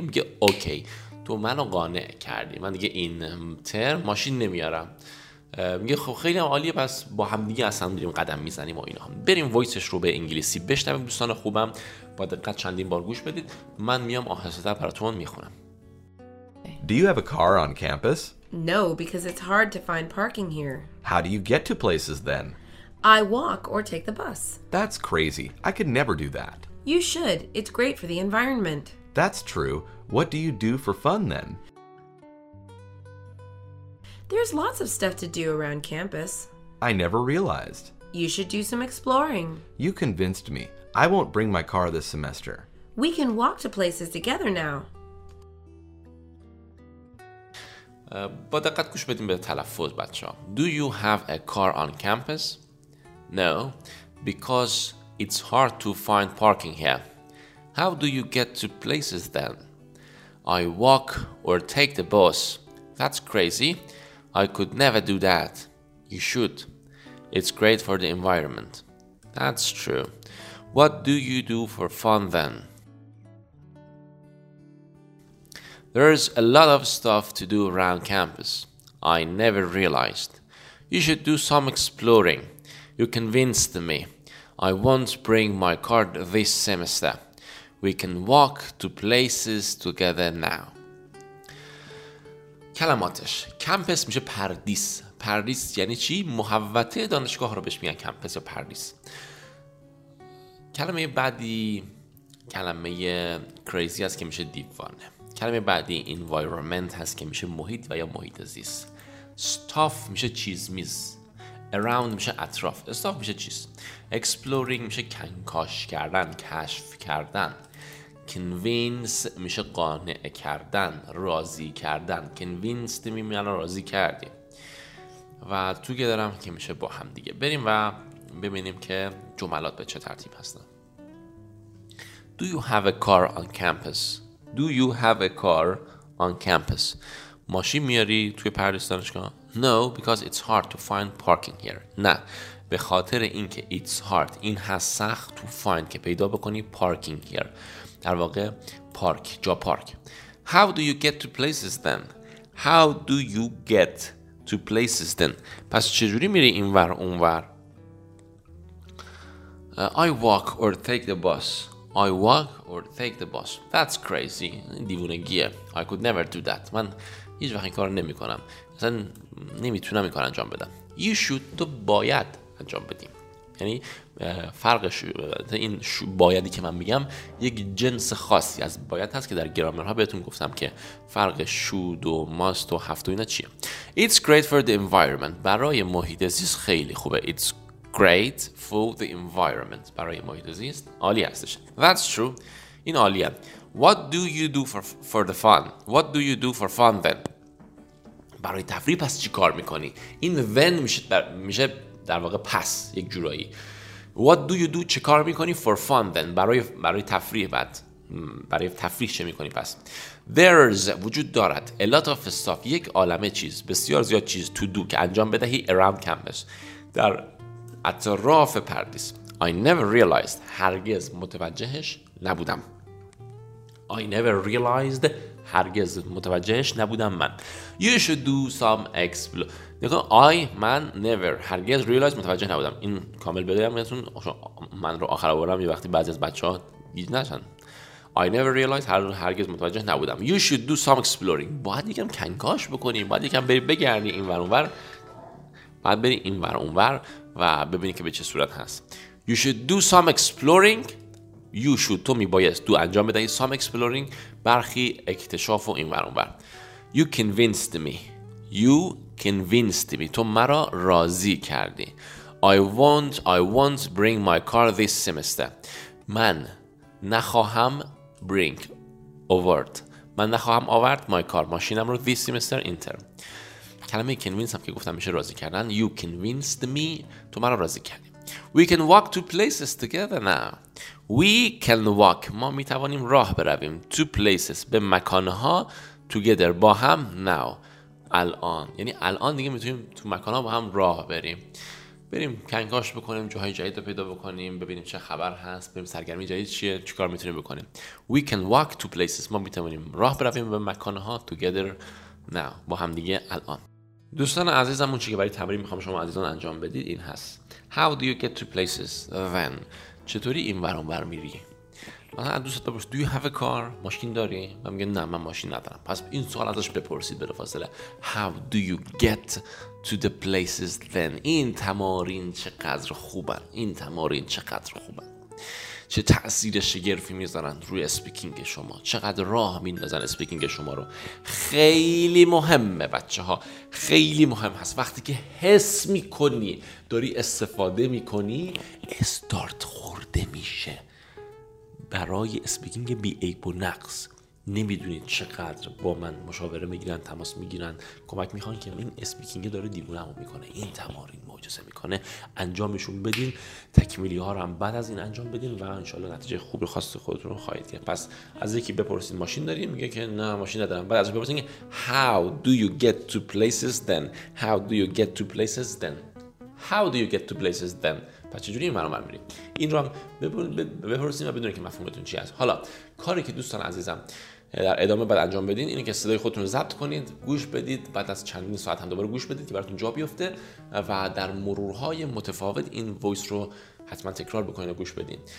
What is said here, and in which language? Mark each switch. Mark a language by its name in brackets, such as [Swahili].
[Persian] میگه اوکی، تو منو قانع کردی، من دیگه این ترم ماشین نمیارم. میگه خب خیلی هم عالیه، پس با هم دیگه اصلا بریم قدم میزنیم و اینا. بریم وایسش رو به انگلیسی بشنویم. دوستان خوبم با دقت چندین بار گوش بدید، من میام آهسته‌تر براتون میخونم. [English] Do you have a car on campus? No, because it's hard to find parking here. How do you get to places then? I walk or take the bus. That's crazy. I could never do that. You should. It's great for the environment. That's true. What do you do for fun then? There's lots of stuff to do around campus. I never realized. You should do some exploring. You convinced me. I won't bring my car this semester. We can walk to places together now. [Persian] با دقت گوش بدیم به تلفظ بچه ها. [English] Do you have a car on campus? No, because it's hard to find parking here. How do you get to places then? I walk or take the bus. That's crazy. I could never do that. You should. It's great for the environment. That's true. What do you do for fun then? There's a lot of stuff to do around campus. I never realized. You should do some exploring. You convinced me. I won't bring my car this semester. We can walk to places together now. [Persian] کلماتش کمپس میشه پردیس. پردیس یعنی چی؟ محوطه دانشگاه رو بهش میگن کمپس یا پردیس. کلمه بعدی کلمه کریزی هست که میشه دیوانه. کلمه بعدی انوایرومنت هست که میشه محیط و یا محیط زیست. استاف میشه چیز میز. اراوند میشه اطراف. استاف میشه چیز. اکسپلورینگ میشه کنکاش کردن، کشف کردن. کنوینس میشه قانع کردن، راضی کردن. کنوینس دیمی میانه راضی کردیم. و تو که دارم که میشه با هم دیگه. بریم و ببینیم که جملات به چه ترتیب هستن. [English] Do you have a car on campus? Do you have a car on campus? [Persian] ماشین میاری توی پردیس دانشگاه؟ [English] No, because it's hard to find parking here. [Persian] نه، به خاطر اینکه [English] it's hard، [Persian] این هست سخت، [English] to find [Persian] که پیدا بکنی [English] parking here، [Persian] در واقع پارک، جا پارک. [English] How do you get to places then? How do you get to places then? [Persian] پس چجوری میری اینور اونور؟ [English] I walk or take the bus. I walk or take the bus. That's crazy. [Persian] دیوونگیه. [English] I could never do that. [Persian] من هیچ وقت این کار نمی کنم. اصلا نمیتونم این کار انجام بدم. [English] You should. [Persian] تو باید انجام بدیم. یعنی فرقش این بایدی که من میگم یک جنس خاصی از باید هست که در گرامرها بهتون گفتم که فرق شود و ماست و هفت و اینا چیه. [English] It's great for the environment. [Persian] برای محیط زیست خیلی خوبه. [English] It's great for the environment. [Persian] برای محیط زیست عالی هستش. [English] That's true. [Persian] این عالیه. [English] What do you do for the fun? What do you do for fun then? [Persian] برای تفریح پس چی کار میکنی؟ این when میشه در واقع پس یک جورایی. [English] What do you do؟ [Persian] چه کار میکنی؟ [English] For fun then. [Persian] برای تفریح بعد. برای تفریح چه میکنی پس؟ There's وجود دارد. [English] A lot of stuff. [Persian] یک عالمه چیز. بسیار زیاد چیز. [English] To do [Persian] که انجام بدهی [English] around campus. [Persian] در اطراف پردیس. [English] I never realized. [Persian] هرگز متوجهش نبودم. [English] I never realized. [Persian] هرگز متوجهش نبودم من. [English] You should do some explore. [Persian] نگاه I من never هرگز realize متوجه نبودم. این کامل بگم بهتون، من رو آخر آوردم یه وقتی بعضی از بچه‌ها گیج نشن. [English] I never realized [Persian] هرگز متوجه نبودم. [English] You should do some exploring. [Persian] باید یکم کنکاش بکنیم، باید یکم بری بگردی این ور اون ور. باید بری این ور اون ور و ببینی که به چه صورت هست. [English] You should do some exploring. You should [Persian] تو میبایست تو انجام بدهی [English] some exploring [Persian] برخی اکتشاف و این ور اون ور. [English] You convinced me. You convinced me. [Persian] تو مرا راضی کردی. [English] I won't bring my car this semester. [Persian] من نخواهم bring آورد. من نخواهم آورد [English] my car [Persian] ماشینم رو [English] this semester in term. [Persian] کلمه convince هم که گفتم میشه راضی کردن. [English] You convinced me. [Persian] تو مرا راضی کردی. [English] We can walk to places together now. We can walk. [Persian] ما میتوانیم راه برویم. [English] To places. [Persian] به مکانها together. با هم now. الان. یعنی الان دیگه میتونیم تو مکانها با هم راه بریم. بریم کنکاش بکنیم. جاهای جدید رو پیدا بکنیم. ببینیم چه خبر هست. بریم سرگرمی جدید چیه. چی کار میتونیم بکنیم. [English] We can walk to places. [Persian] ما میتوانیم راه برویم به مکانها [English] together now. [Persian] با هم دیگه الان. دوستان عزیزم اون چیزی که برای تمرین میخوام شما عزیزان انجام بدید این هست. [English] How do you get to places? When? [Persian] چطوری این ور اون ور میری؟ مثلا دوستت بپرس [English] Do you have a car? [Persian] ماشین داری؟ و میگه نه من ماشین ندارم. پس این سوال ازش بپرسید بلا فاصله. [English] How do you get to the places then? [Persian] این تمارین چقدر خوبن. این تمارین چقدر خوبن. چه تأثیر شگرفی میذارن روی اسپیکینگ شما. چقدر راه میندازن اسپیکینگ شما رو. خیلی مهمه بچه ها. خیلی مهم هست. وقتی که حس میکنی داری استفاده میکنی استارت خورده میشه برای اسپیکینگ بی عیب و نقص. نمیدونید چقدر با من مشاوره میگیرن، تماس میگیرن، کمک میخوان که این اسپیکینگ داره دیوونه همو میکنه، این تمارین معجزه میکنه. انجامشون بدین، تکمیلی ها رو هم بعد از این انجام بدین و انشالله نتیجه خوبی خاص خودتون رو خواهید گرفت. پس از یکی بپرسید ماشین داری؟ میگه که نه ماشین ندارم. بعد از اون بپرسید [English] How do you get to places then? How do you get to places then? How do you get to places then? [Persian] پس چجوری این برامر میریم؟ این رو هم بپرسیم و بدونیم که مفهومتون چی هست. حالا کاری که دوستان عزیزم در ادامه بعد انجام بدین اینه که صدای خودتون رو ضبط کنید، گوش بدید، بعد از چندین ساعت هم دوباره گوش بدید که براتون جا بیفته و در مرورهای متفاوت این وایس رو حتما تکرار بکنید و گوش بدین.